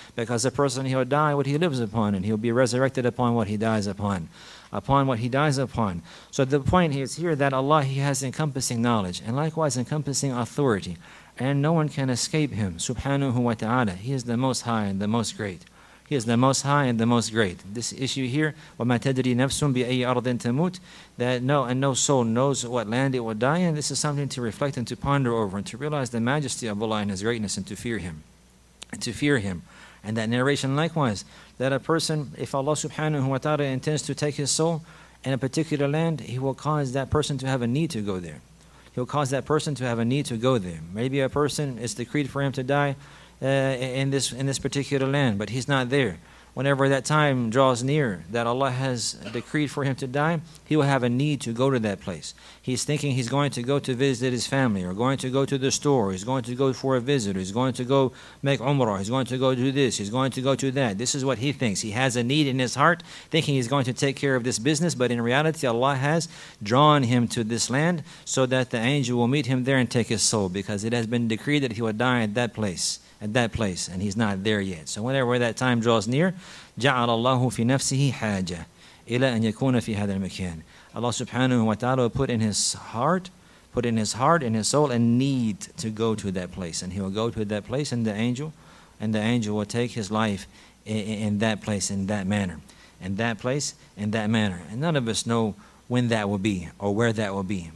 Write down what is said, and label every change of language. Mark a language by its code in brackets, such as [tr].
[en] Because a person, he will die what he lives upon, and he'll be resurrected upon what he dies upon. Upon what he dies upon. So the point is here that Allah, He has encompassing knowledge, and likewise encompassing authority. And no one can escape Him, subhanahu wa ta'ala. He is the most high and the most great. He is the most high and the most great. This issue here, [ar] وَمَا تَدْرِي نَفْسٌ بِأَيِّ أَرْضٍ تَمُوتُ. [en] That no, and no soul knows what land it will die in. This is something to reflect and to ponder over, and to realize the majesty of Allah and His greatness, and to fear Him. And to fear Him. And that narration likewise, that a person, if Allah subhanahu wa ta'ala intends to take his soul in a particular land, He will cause that person to have a need to go there. He'll cause that person to have a need to go there. Maybe a person is decreed for him to die in this particular land, but he's not there. Whenever that time draws near that Allah has decreed for him to die, he will have a need to go to that place. He's thinking he's going to go to visit his family, or going to go to the store, he's going to go for a visit, he's going to go make umrah, he's going to go do this, he's going to go to that. This is what he thinks. He has a need in his heart, thinking he's going to take care of this business, but in reality Allah has drawn him to this land so that the angel will meet him there and take his soul, because it has been decreed that he will die at that place. at that place, and he's not there yet. So whenever that time draws near, [ar] جَعَلَ اللَّهُ فِي نَفْسِهِ حَاجَةً إِلَىٰ أَنْ يَكُونَ فِي هَذَا الْمَكَانِ. [en] Allah subhanahu wa ta'ala will put in his heart, in his soul, a need to go to that place. And he will go to that place, and the angel will take his life in that place, in that manner. And none of us know when that will be or where that will be.